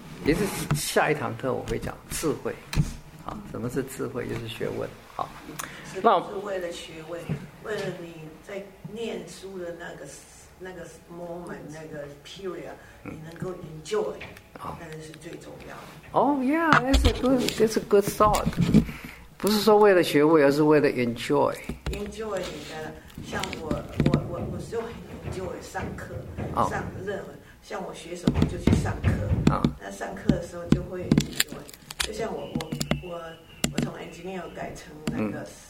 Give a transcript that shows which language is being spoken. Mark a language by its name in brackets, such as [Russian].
[Chinese] 也是下一堂课我会讲智慧。好，什么是智慧？就是学问。好。是为了学位，为了你在念书的那个 moment 那个 period， 你能够 enjoy， 那是最重要的。 [English] Oh yeah， that's a good thought。 [Chinese] 不是说为了学位，而是为了 enjoy。 Enjoy 你的，像我就很 enjoy 上课， 上任何，像我学什么就去上课。那上课的时候就会 enjoy， 就像我从 engineer 改成那个。